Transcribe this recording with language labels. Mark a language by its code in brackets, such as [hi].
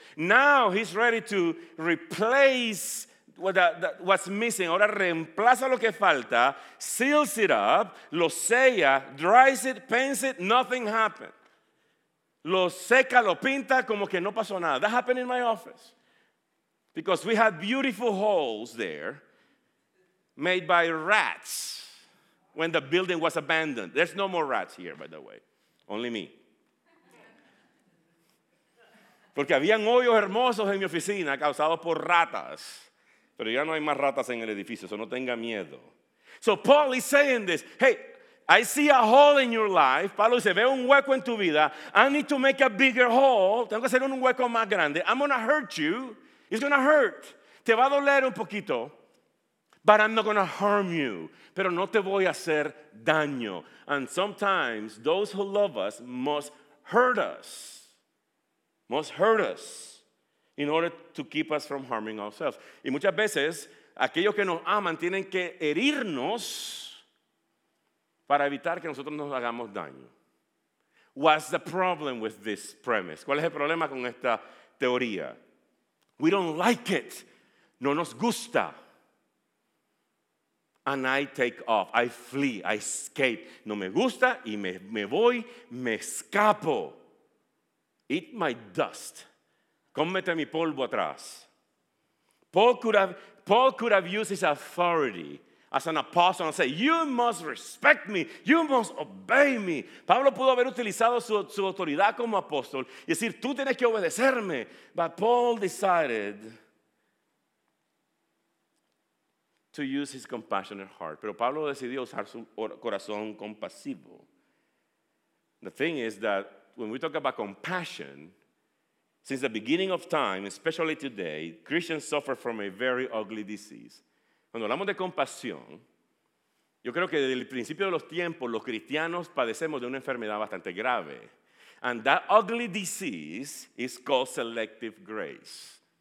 [en] Now he's ready to replace what's missing. [es] Ahora reemplaza lo que falta, [en] seals it up, [es] lo sella, [en] dries it, paints it, nothing happened. [es] Lo seca, lo pinta como que no pasó nada. [en] That happened in my office. Because we had beautiful holes there made by rats when the building was abandoned. There's no more rats here, by the way. Only me. [es] Porque habían hoyos hermosos en mi oficina causados por ratas. Pero ya no hay más ratas en el edificio, so no tenga miedo. [en] So Paul is saying this, hey, I see a hole in your life. [es] Pablo dice, veo un hueco en tu vida. [en] I need to make a bigger hole. [es] Tengo que hacer un hueco más grande. [en] I'm going to hurt you. It's going to hurt. [es] Te va a doler un poquito. [en] But I'm not going to harm you. [es] Pero no te voy a hacer daño. [en] And sometimes those who love us must hurt us. Must hurt us. In order to keep us from harming ourselves. [es] Y muchas veces, aquellos que nos aman tienen que herirnos para evitar que nosotros nos hagamos daño. [en] What's the problem with this premise? [es] ¿Cuál es el problema con esta teoría? [en] We don't like it. [es] No nos gusta. [en] And I take off. I flee. I escape. [es] No me gusta y me voy, me escapo. [en] Eat my dust. [es] Cómete mi polvo atrás. [en] Paul could have used his authority as an apostle and said, you must respect me. You must obey me. [es] Pablo pudo haber utilizado su autoridad como apóstol y decir, tú tienes que obedecerme. [en] But Paul decided to use his compassionate heart. [es] Pero Pablo decidió usar su corazón compasivo. [en] The thing is that when we talk about compassion, since the beginning of time, especially today, Christians suffer from a very ugly disease. [es] Cuando hablamos de compasión, yo creo que desde el principio de los tiempos, los cristianos padecemos de una enfermedad bastante grave. [en] And that ugly disease is called selective grace.